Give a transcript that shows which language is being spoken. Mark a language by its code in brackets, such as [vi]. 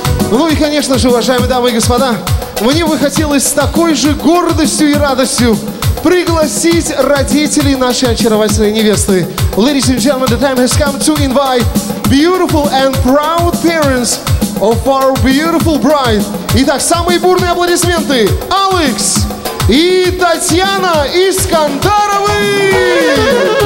[ru] Ну и, конечно же, уважаемые дамы и господа, мне бы хотелось с такой же гордостью и радостью пригласить родителей нашей очаровательной невесты. [en] Ladies and gentlemen, the time has come to invite beautiful and proud parents of our beautiful bride. [ru] Итак, самые бурные аплодисменты. Алекс и Татьяна Искандаровы!